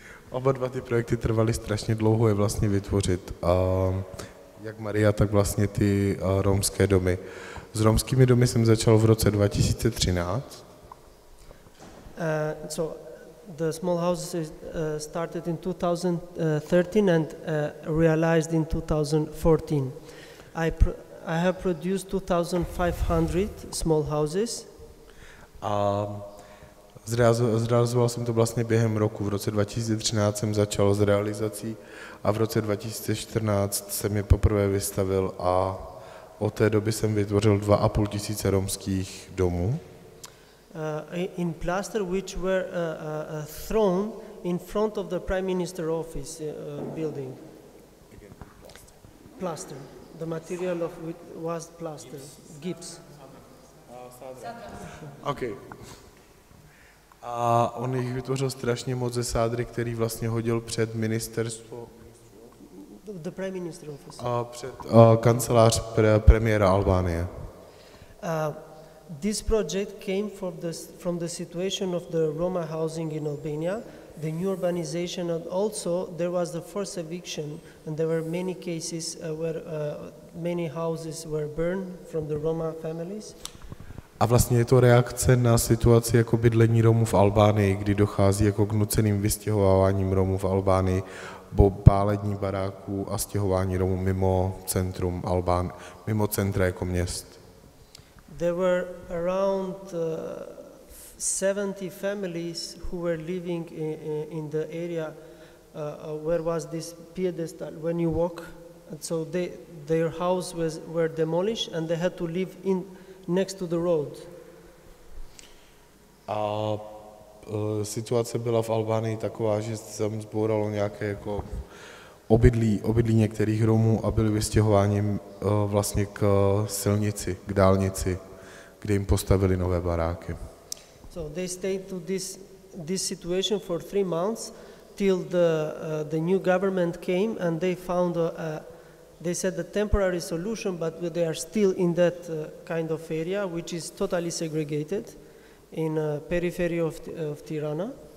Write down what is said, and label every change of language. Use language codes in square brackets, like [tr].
[cs] Oba dva ty projekty trvaly strašně dlouho je vlastně vytvořit. Jak Maria, tak vlastně ty romské domy. S romskými domy jsem začal v roce 2013. [en] So the small house started in 2013 and realized in 2014. I pr- I have produced 2,500 small houses. [cs] A zrealizoval jsem to vlastně během roku. V roce 2013 jsem začal s realizací a v roce 2014 jsem je poprvé vystavil a od té doby jsem vytvořil 2,500 romských domů. [en] In plaster which were thrown in front of the Prime Minister office building. Plaster. The material of which was plaster. [cs] Gips. [en] Okay. [cs] A on jich vytvořil strašně moc ze sádry, který vlastně hodil před ministerstvo. [en] The Prime Minister office. [cs] A před kancelář premiéra Albánie. [en] This project came from the situation of the Roma housing in Albania, the new urbanization, and also there was the first eviction, and there were many cases where many houses were burned from the Roma families. [cs] A vlastně je to reakce na situaci jako bydlení Romů v Albánii, kdy dochází jako k nuceným vystěhováním Romů v Albánii, bo pálení baráků a stěhování Romů mimo centrum Albánie, mimo centra jako měst. [en] There were around 70 families who were living in the area where was this pedestal when you walk, and so their house were demolished and they had to live in next to the road. [cs] A situace byla v Albánii taková, že se tam zbouralo nějaké jako obydlí některých Romů a byli vystěhováni vlastně k silnici, k dálnici, kde jim postavili nové baráky. [en] So they stayed to this situation for 3 months till the new government came and they found they said a temporary solution, but they are still in that kind of area which is totally segregated in periphery of Tirana.